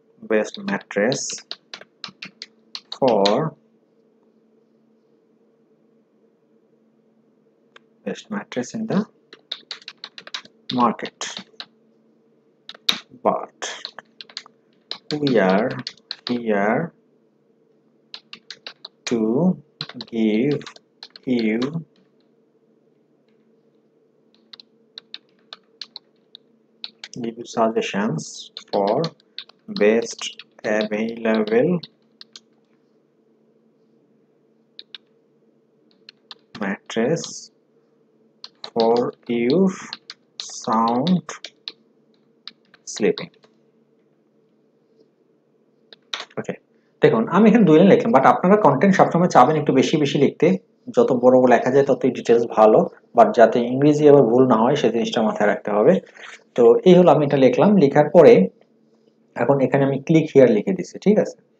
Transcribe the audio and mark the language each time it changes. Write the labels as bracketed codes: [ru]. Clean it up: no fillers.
[en] Best mattress for best mattress in the market, but we are here to give you suggestions for best available mattress for your sound sleeping. [bn] দেখুন আমি এখানে দুই line লিখলাম, but আপনারা content সবসময় চাবেন একটু বেশি বেশি লিখতে, যত বড় বড় লেখা যায় ততই ডিটেলস ভালো, বাট যাতে ইংরেজি আবার ভুল না হয় সেই জিনিসটা মাথায় রাখতে হবে। তো এই হলো আমি এটা লিখলাম, লেখার পরে এখন এখানে আমি ক্লিক হিয়ার লিখে দিচ্ছি, ঠিক আছে।